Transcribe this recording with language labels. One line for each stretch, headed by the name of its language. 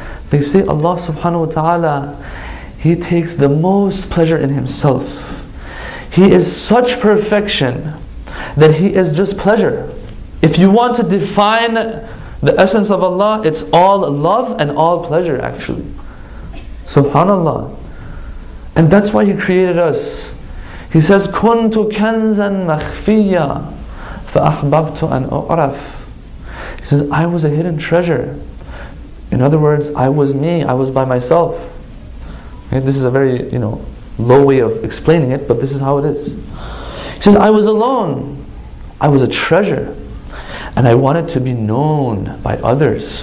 English: They say Allah subhanahu wa ta'ala, He takes the most pleasure in Himself. He is such perfection that He is just pleasure. If you want to define the essence of Allah, it's all love and all pleasure, actually. Subhanallah. And that's why He created us.
Arabic: He says, كُنْتُ كَنْزًا مَخْفِيًّا فَأَحْبَبْتُ أَنْ أُعْرَفْ.
English: He says, I was a hidden treasure. In other words, I was me, I was by myself. Okay, this is a very, you know, low way of explaining it, but this is how it is. He says, I was alone. I was a treasure. And I wanted to be known by others.